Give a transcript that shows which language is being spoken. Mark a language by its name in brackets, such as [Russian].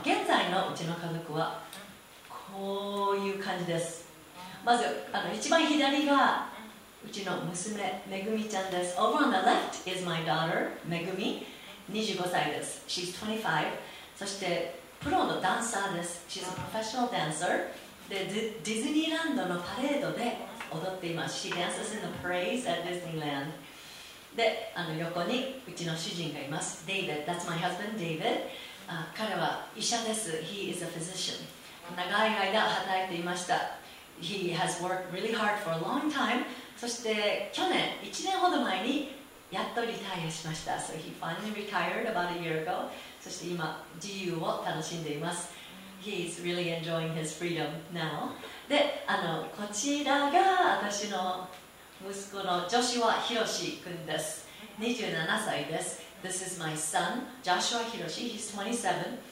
[Japanese] 現在のうちの家族はこういう感じです。まず一番左がうちの娘、めぐみちゃんです。 [English] Over on the left is my daughter, Megumi. [Japanese] 25歳です。 [English] She's 25. [Japanese] そしてプロのダンサーです。 [English] She's a professional dancer. [Japanese] でディズニーランドのパレードで踊っています。 [English] She dances in the parades at Disneyland. [Japanese] で、横にうちの主人がいます。 [English] David, that's my husband, David. [Japanese] 彼は医者です。 [English] He is a physician. [Japanese] 長い間働いていました。 [English] He has worked really hard for a long time. [Japanese] そして去年、1年ほど前にやっとリタイアしました。 [English] So he finally retired about a year ago. [Japanese] そして今、自由を楽しんでいます。 [English] He's really enjoying his freedom now. [Japanese] で、こちらが私の息子のジョシュア・ヒロシ君です。 27歳です。 [English] This is my son, Joshua Hiroshi. He's 27.